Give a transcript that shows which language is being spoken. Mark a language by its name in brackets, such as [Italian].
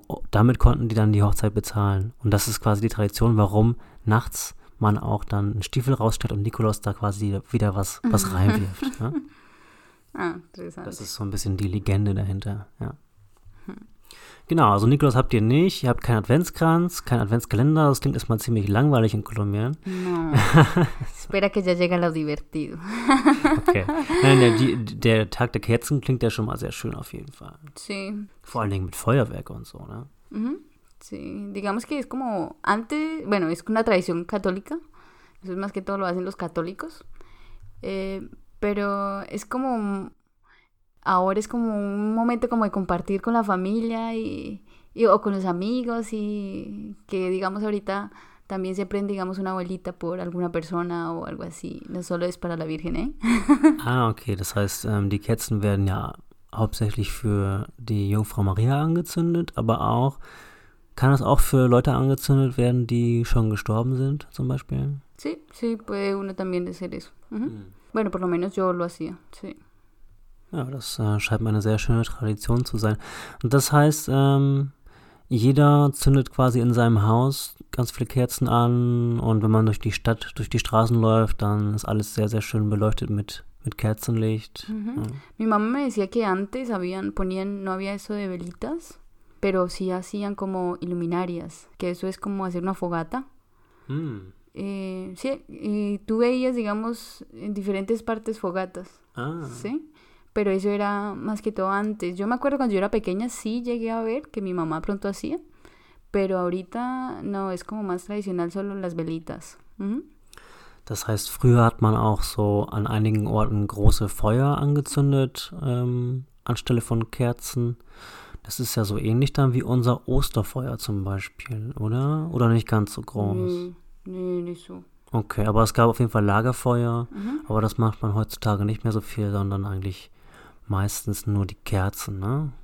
[German] Damit konnten die dann die Hochzeit bezahlen. Und das ist quasi die Tradition, warum nachts man auch dann einen Stiefel rausstellt und Nikolaus da quasi wieder was reinwirft. Ja? Interessant. Das ist so ein bisschen die Legende dahinter. Ja. Genau, also Nikolaus habt ihr nicht. Ihr habt keinen Adventskranz, keinen Adventskalender. Das klingt erstmal ziemlich langweilig in Kolumbien. [Spanish] No. Espera que ya llega lo divertido. [German] Okay. Nein, der Tag der Kerzen klingt ja schon mal sehr schön auf jeden Fall. [Spanish] Sí. [German] Vor allen Dingen mit Feuerwerk und so, ne? [Spanish] Sí, digamos que es como antes, bueno, es una tradición católica, eso es más que todo lo hacen los católicos, pero es como, ahora es como un momento como de compartir con la familia y o con los amigos y que digamos ahorita también se prende digamos una velita por alguna persona o algo así, no solo es para la Virgen, ¿eh? [German] Ah, okay, das heißt, die Kerzen werden ja hauptsächlich für die Jungfrau Maria angezündet, aber auch... Kann das auch für Leute angezündet werden, die schon gestorben sind, zum Beispiel? [Spanish] Sí, sí, puede uno también decir eso. Bueno, por lo menos yo lo hacía, sí. [German] Ja, das scheint mir eine sehr schöne Tradition zu sein. Und das heißt, jeder zündet quasi in seinem Haus ganz viele Kerzen an und wenn man durch die Stadt, durch die Straßen läuft, dann ist alles sehr, sehr schön beleuchtet mit Kerzenlicht. [Spanish] Mi mamá me decía que antes habían, ponían, no había eso de velitas. Pero sí hacían como iluminarias, que eso es como hacer una fogata. Sí, y tú veías, digamos, en diferentes partes fogatas. Ah. Sí, pero eso era más que todo antes. Yo me acuerdo cuando yo era pequeña, sí llegué a ver que mi mamá pronto hacía, pero ahorita no, es como más tradicional solo las velitas. [German] Das heißt, früher hat man auch so an einigen Orten große Feuer angezündet, anstelle von Kerzen. Das ist ja so ähnlich dann wie unser Osterfeuer zum Beispiel, oder? Oder nicht ganz so groß? Nee, nicht so. Okay, aber es gab auf jeden Fall Lagerfeuer, aber das macht man heutzutage nicht mehr so viel, sondern eigentlich meistens nur die Kerzen, ne?